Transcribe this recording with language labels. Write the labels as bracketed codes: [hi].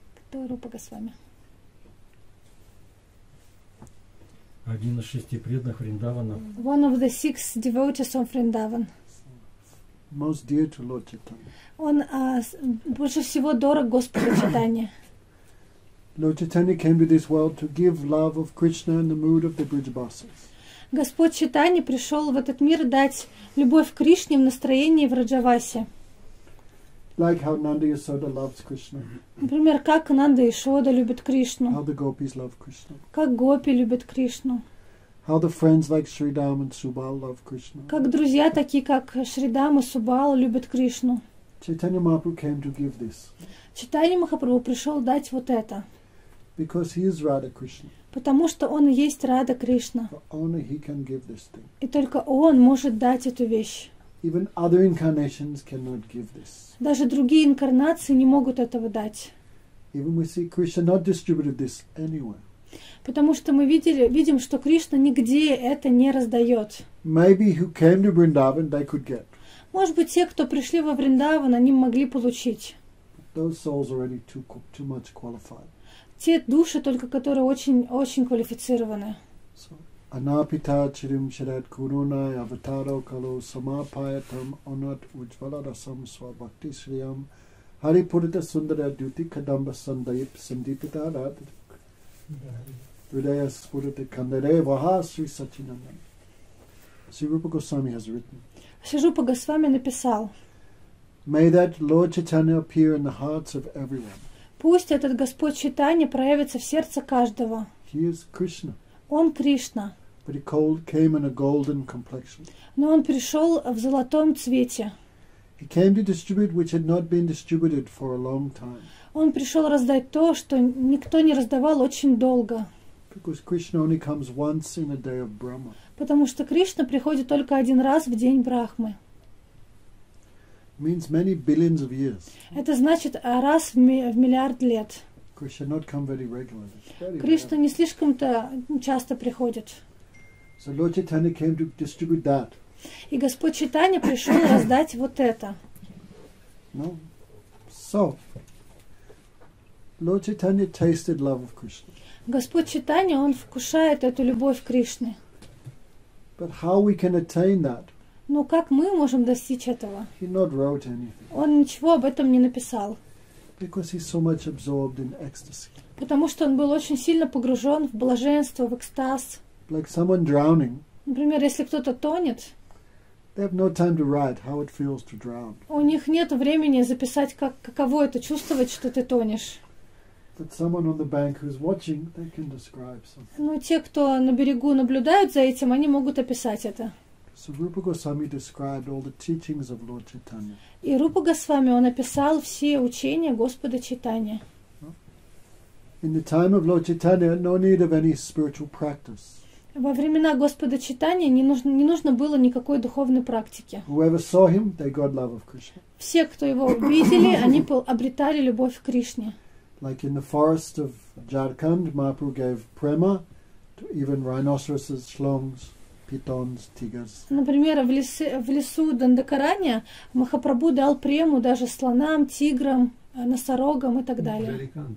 [ru] Кто Рупа Госвами? Один из шести преданных Вриндавана. [en] One of the six devotees of Vrindavan. Most dear to Lord Chaitanya. [ru] Он больше всего дорог Господу Чайтанье. [en] Lord Chaitanya came to this world to give love of Krishna and the mood of the Brijabasis. [ru] Господь Чайтанья пришел в этот мир дать любовь Кришне в настроении в Раджавасе. [en] Like how Nanda Yashoda loves Krishna. [ru] Например, как Нанда Ишода любит Кришну. [en] How the gopis love Krishna. [ru] Как гопи любят Кришну. [en] How the friends like Shridham and Subal love Krishna. [ru] Как друзья такие как Шридам и Субал любят Кришну. [en] Chaitanya Mahaprabhu came to give this. [ru] Chaitanya Mahaprabhu пришел дать вот это. [en] Because he is Radha Krishna. [ru] Потому что он и есть Радха Кришна. [en] Only he can give this thing. [ru] И только он может дать эту вещь. [en] Even other incarnations cannot give this. [ru] Даже другие инкарнации не могут этого дать. [en] Even we see Krishna not distributed this anywhere. [ru] Потому что мы видим, что Кришна нигде это не раздает. [en] Maybe who came to Vrindavan, they could get. [ru] Может быть, те, кто пришли во Вриндаван, они могли получить. [en] But those souls already too much qualified. [ru] Те души только, которые очень-очень квалифицированы. [sa] So. Анапита чирим шарат курунай аватаро кало самапаятам анат ужваларасам свабхакти шриям хари пурита сундара дюти кадамба сандайп сандипита рад рудая спурита кандаре ваха сри сачинандан. [en] Шри Рупа Госвами has written. [ru] Шри Рупа Госвами написал. [en] May that Lord Chaitanya appear in the hearts of everyone. [ru] Пусть этот Господь Чайтанья проявится в сердце каждого. [en] He is Krishna. [ru] Он Кришна. [en] But he came in a golden complexion. [ru] Но он пришел в золотом цвете. [en] He came to distribute which had not been distributed for a long time. [ru] Он пришел раздать то, что никто не раздавал очень долго. [en] Because Krishna only comes once in a day of Brahma. [ru] Потому что Кришна приходит только один раз в день Брахмы. [en] Means many billions of years. [ru] Это значит раз в миллиард лет. [en] Krishna not come very regularly. [ru] Кришна не слишком-то часто приходит. [en] So Lord Chaitanya came to distribute that. [ru] И Господь Чайтанья пришел раздать вот это. [en] No. So Lord Chaitanya tasted love of Krishna. [ru] Господь Чайтанья, он вкушает эту любовь Кришны. [en] But how we can attain that? [ru] Но как мы можем достичь этого? [en] He not wrote anything. [ru] Он ничего об этом не написал. [en] Because he's so much absorbed in ecstasy. [ru] Потому что он был очень сильно погружен в блаженство, в экстаз. [en] Like someone drowning. [ru] Например, если кто-то тонет. [en] They have no time to write how it feels to drown. [ru] У них нет времени записать, каково это чувствовать, что ты тонешь. [en] But someone on the bank who's watching, they can describe something. [ru] Но те, кто на берегу наблюдают за этим, они могут описать это. [en] So Rupa Goswami described all the teachings of Lord Chaitanya. [ru] И Рупа Госвами, он описал все учения Господа Чайтанья. [en] In the time of Lord Chaitanya, no need of any spiritual practice. [ru] Во времена Господа Чайтанья не нужно было никакой духовной практики. [en] Whoever saw him, they got love of Krishna. [ru] Все, кто его видели, они обретали любовь к Кришне. [en] like in the forest of Jharkhand, Mahaprabhu gave prema to even rhinoceroses, shlongs, pitons, tigers. [ru] Например, в лесу Дандакаранья Махапрабху дал прему даже слонам, тиграм, носорогам и так далее.